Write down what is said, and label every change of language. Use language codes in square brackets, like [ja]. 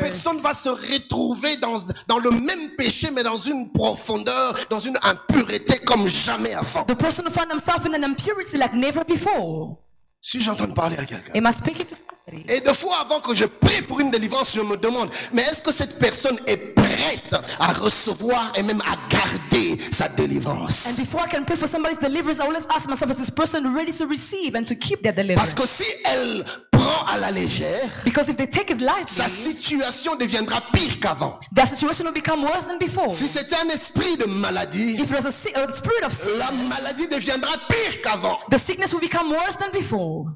[fr] personne va se retrouver dans le même péché mais dans une profondeur, dans une impureté comme jamais avant. [en] The person will find himself in an impurity like never before. [fr] Si j'entends parler à quelqu'un. [en] Am I speaking to somebody? [fr] Et des fois, avant que je prie pour une délivrance, je me demande, mais est-ce que cette personne est prête à recevoir et même à garder sa délivrance? [en] And before I can pray for somebody's deliverance, I always ask myself, is this person ready to receive and to keep their deliverance? [fr] Parce que si elle prend à la légère, [en] because if they take it lightly, [fr] sa situation deviendra pire qu'avant. [en] Their situation will become worse than before. [fr] Si c'est un esprit de maladie, [en] if it was a spirit of sickness, [fr] la maladie deviendra pire qu'avant. [en] The sickness will become worse than before.